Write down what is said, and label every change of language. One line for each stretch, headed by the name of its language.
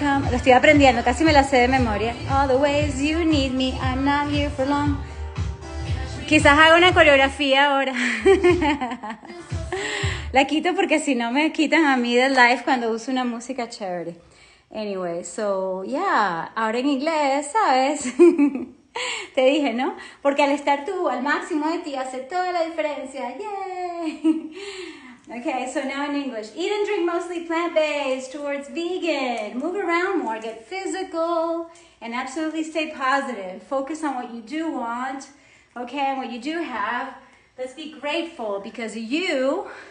Spanish: Lo estoy aprendiendo, casi me la sé de memoria.
English: All the ways you need me, I'm not here for long.
Spanish: Quizás haga una coreografía ahora. La quito porque si no me quitan a mí del live cuando uso una música chévere.
English: Anyway, so yeah,
Spanish: ahora en inglés, ¿sabes? Te dije, ¿no? Porque al estar tú al máximo de ti hace toda la diferencia.
English: Yay! Okay, so now in English. Eat and drink mostly plant-based towards vegan. Move around more, get physical, and absolutely stay positive. Focus on what you do want. Okay, and what you do have, let's be grateful because you